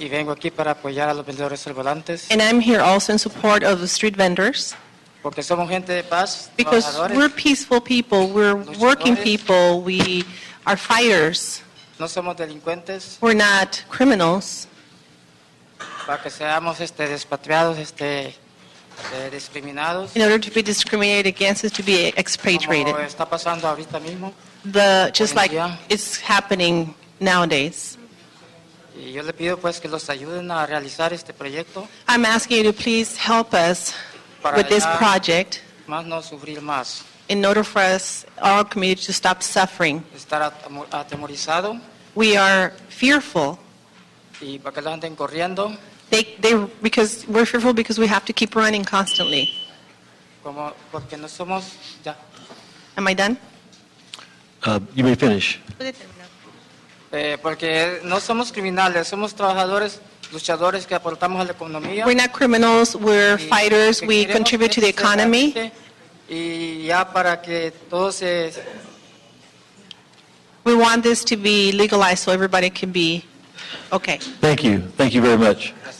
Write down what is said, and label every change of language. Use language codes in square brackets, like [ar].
[es] Y vengo aquí para apoyar a los vendedores ambulantes. [en] And I'm here also in support of the street vendors. [es] Porque somos gente de paz. [en] Because we're peaceful people. We're working people. We are fighters. [es] No somos delincuentes. [en] We're not criminals. [es] Para que seamos despatriados, discriminados. [en] In order to be discriminated against, is to be expatriated. [es] Como está pasando ahorita mismo. [en] Just like it's happening nowadays. [es] Y yo le pido pues que los ayuden a realizar este proyecto. [en] I'm asking you to please help us with this project. [es] Más no sufrir más. [en] In order for us, our community, to stop suffering. [es] Estar atemorizado. [en] We are fearful. [es] Y para que los anden corriendo. [en] Because we're fearful because we have to keep running constantly. [es] Como porque no somos ya. [en] Am I done? You may finish. [es] Porque no somos criminales, somos trabajadores, luchadores que aportamos a la economía. [en] We're not criminals, we're fighters, we contribute to the economy. [es] Y ya para que todo se... [en] We want this to be legalized so everybody can be okay. Thank you very much.